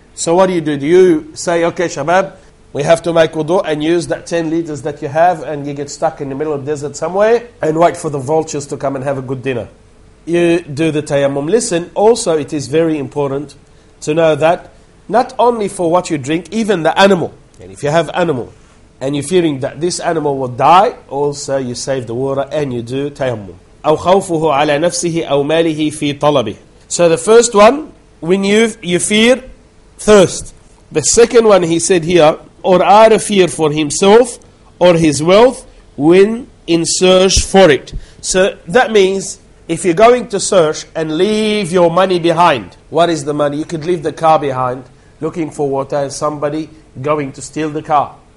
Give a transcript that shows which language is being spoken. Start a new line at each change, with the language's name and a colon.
English: So what do you do? Do you say, okay, Shabab, we have to make wudu and use that 10 liters that you have, and you get stuck in the middle of the desert somewhere and wait for the vultures to come and have a good dinner? You do the tayammum. Listen, also it is very important to know that not only for what you drink, even the animal, and if you have animal, and you're fearing that this animal will die, also you save the water and you do tayammum.
Arabic: أو خوفه على نفسه أو ماله في طلبه.
English: So the first one, when you fear thirst. The second one he said here, or out of fear for himself or his wealth when in search for it. So that means if you're going to search and leave your money behind, what is the money? You could leave the car behind looking for water and somebody going to steal the car.